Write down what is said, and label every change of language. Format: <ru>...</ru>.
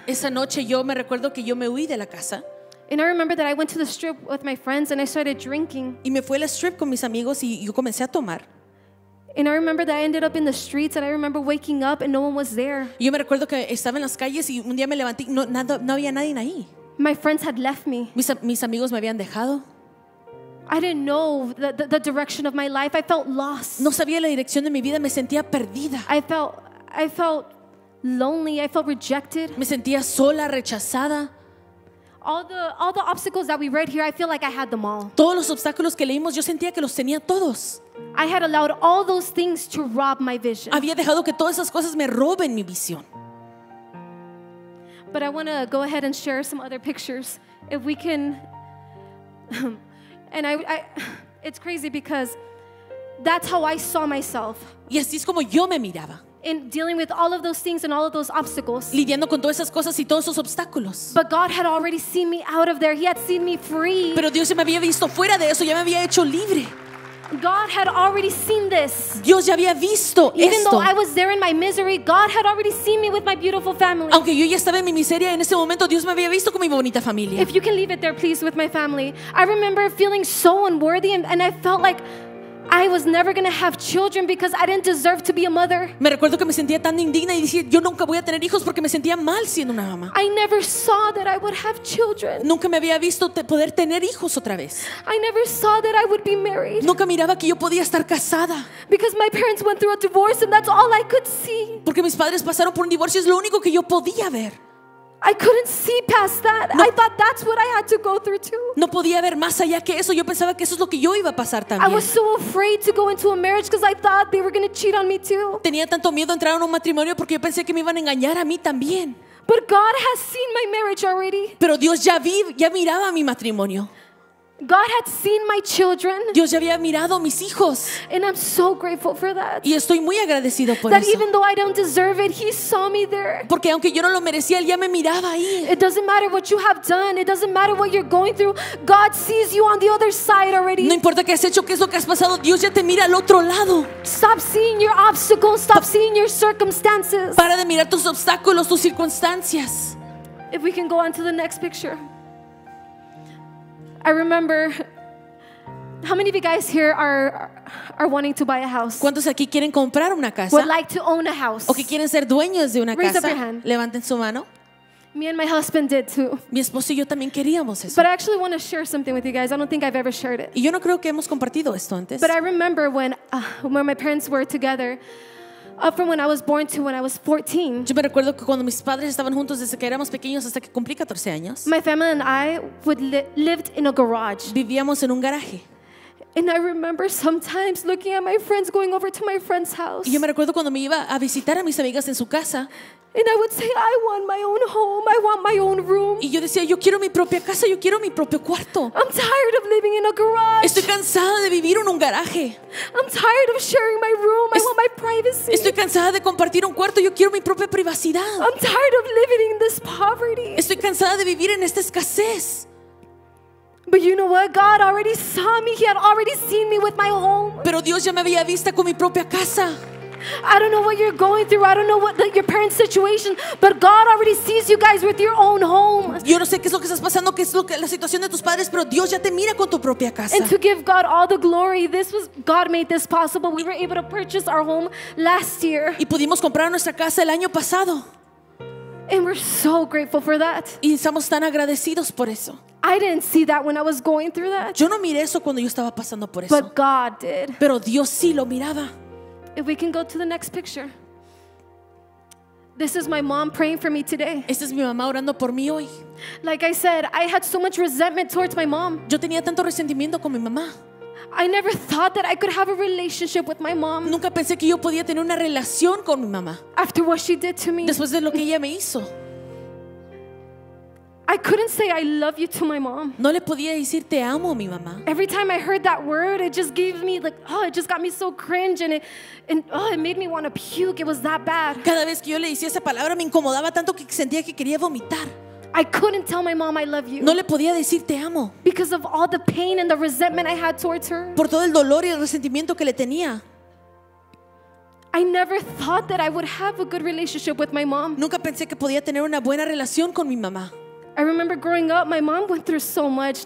<es>Esa noche yo me recuerdo que yo me huí de la casa.</es> <en>And I remember that I went to the strip with my friends and I started drinking.</en> <es>Y me fui a la strip con mis amigos y yo comencé a tomar.</es> <en>And I remember that I ended up in the streets and I remember waking up and no one was there.</en> <es>Y yo me recuerdo que estaba en las calles y un día me levanté y no había nadie ahí.</es> <en>My friends had left me.</en> <es>Mis amigos me habían dejado.</es> <en>I didn't know the direction of my life. I felt lost.</en> <es>No sabía la dirección de mi vida, me sentía perdida.</es> <en>I felt lonely. I felt rejected.</en> <es>Me sentía sola, rechazada.</es> <en>All the obstacles that we read here, I feel like I had them all.</en> <es>Todos los obstáculos que leímos, yo sentía que los tenía todos.</es> <en>I had allowed all those things to rob my vision.</en> <es>Había dejado que todas esas cosas me roben mi visión.</es> <en>But I want to go ahead and share some other pictures, if we can. And I it's crazy because that's how I saw myself.</en> <es>Y así es como yo me miraba.</es> <en>In dealing with all of those things and all of those obstacles.</en> <es>Lidiando con todas esas cosas y todos esos obstáculos.</es> <en>But God had already seen me out of there. He had seen me free.</en> <es>Pero Dios ya me había visto fuera de eso, ya me había hecho libre.</es> <en>God had already seen this.</en> <es>Dios ya había visto</es> <en>Even</en> <es>esto.</es> <en>Though I was there in my misery, God had already seen me with my beautiful family.</en> <es>Aunque yo ya estaba en mi miseria, en ese momento Dios me había visto con mi bonita familia.</es> <en>If you can leave it there, please, with my family. I remember feeling so unworthy and I felt like I was never going to have children because I didn't deserve to be a mother.</en> <es>Me recuerdo que me sentía tan indigna y decía, yo nunca voy a tener hijos porque me sentía mal siendo una mamá.</es> <en>I never saw that I would have children.</en> <es>Nunca me había visto poder tener hijos otra vez.</es> <en>I never saw that I would be married.</en> <es>Nunca miraba que yo podía estar casada.</es> <en>Because my parents went through a divorce and that's all I could see.</en> <es>Porque mis padres pasaron por un divorcio y es lo único que yo podía ver.</es> <en>I couldn't see past that. No, I thought that's what I had to go through too.</en> <es>No podía ver más allá que eso. Yo pensaba que eso es lo que yo iba a pasar también.</es> <en>I was so afraid to go into a marriage because I thought they were going to cheat on me too.</en> <es>Tenía tanto miedo entrar a un matrimonio porque yo pensé que me iban a engañar a mí también.</es> <en>But God has seen my marriage already.</en> <es>Pero Dios ya miraba mi matrimonio.</es> <en>God had seen my children.</en> <es>Dios ya había mirado mis hijos.</es> <en>And I'm so grateful for that.</en> <es>Y estoy muy agradecido por</es> <en>that</en> <es>eso.</es> <en>Even though I don't deserve it, He saw me there.</en> <es>Porque aunque yo no lo merecía, Él ya me miraba ahí.</es> <en>It doesn't matter what you have done. It doesn't matter what you're going through. God sees you on the other side already.</en> <es>No importa qué has hecho, qué es lo que has pasado, Dios ya te mira al otro lado.</es> <en>Stop seeing your obstacles. Stop seeing your circumstances.</en> <es>Para de mirar tus obstáculos, tus circunstancias.</es> <en>If we can go on to the next picture. I remember, how many of you guys here are wanting to buy a house?</en> <es>¿Cuántos aquí quieren comprar una casa?</es> <en>Would like to own a house?</en> <es>¿O que quieren ser dueños de una</es> <en>Raise</en> <es>casa?</es> <en>Up your hand.</en> <es>Levanten su mano.</es> <en>Me and my husband did too.</en> <es>Mi esposo y yo también queríamos eso.</es> <en>But I actually want to share something with you guys. I don't think I've ever shared it.</en> <es>Y yo no creo que hemos compartido esto antes.</es> <en>But I remember when my parents were together, from when I was born to when I was 14.</en> <es>Yo me recuerdo que cuando mis padres estaban juntos desde que éramos pequeños hasta que cumplí 14 años.</es> <en>My family and I lived in a garage.</en> <es>Vivíamos en un garaje.</es> <en>And I remember sometimes looking at my friends going over to my friend's house.</en> <es>Y yo me recuerdo cuando me iba a visitar a mis amigas en su casa.</es> <en>And I would say, I want my own home. I want my own room.</en> <es>Y yo decía, yo quiero mi propia casa. Yo quiero mi propio cuarto.</es> <en>I'm tired of living in a garage.</en> <es>Estoy cansada de vivir en un garaje.</es> <en>I'm tired of sharing my room. I want my privacy.</en> <es>Estoy cansada de compartir un cuarto. Yo quiero mi propia privacidad.</es> <en>I'm tired of living in this poverty.</en> <es>Estoy cansada de vivir en esta escasez.</es> <en>But you know what? God already saw me. He had already seen me with my home.</en> <es>Pero Dios ya me había visto con mi propia casa.</es> <en>I don't know what you're going through. I don't know what your parents' situation, but God already sees you guys with your own home.</en> <es>Yo no sé qué es lo que estás pasando, qué es lo que la situación de tus padres, pero Dios ya te mira con tu propia casa.</es> <en>And to give God all the glory, this was God made this possible. We were able to purchase our home last year.</en> <es>Y pudimos comprar nuestra casa el año pasado.</es> <en>And we're so grateful for that.</en> <es>Y estamos tan agradecidos por eso.</es> <en>I didn't see that when I was going through that.</en> <es>Yo no miré eso cuando yo estaba pasando por eso.</es> <en>But God did.</en> <es>Pero Dios sí lo miraba.</es> <en>If we can go to the next picture. This is my mom praying for me today.</en> <es>Esta es mi mamá orando por mí hoy.</es> <en>Like I said, I had so much resentment towards my mom.</en> <es>Yo tenía tanto resentimiento con mi mamá.</es> <en>I never thought that I could have a relationship with my mom.</en> <es>Nunca pensé que yo podía tener una relación con mi mamá.</es> <en>After what she did to me.</en> <es>Después de lo que ella me hizo.</es> <en>I couldn't say I love you to my mom.</en> <es>No le podía decir te amo a mi mamá.</es> <en>Every time I heard that word, it just gave me like, oh, it just got me so cringe and it made me want to puke. It was that bad.</en> <es>Cada vez que yo le decía esa palabra me incomodaba tanto que sentía que quería vomitar.</es> <en>I couldn't tell my mom I love you.</en> <es>No le podía decir te amo.</es> <en>Because of all the pain and the resentment I had towards her.</en> <es>Por todo el dolor y el resentimiento que le tenía.</es> <en>I never thought that I would have a good relationship with my mom.</en> <es>Nunca pensé que podía tener una buena relación con mi mamá.</es> <en>I remember growing up, my mom went through so much.</en>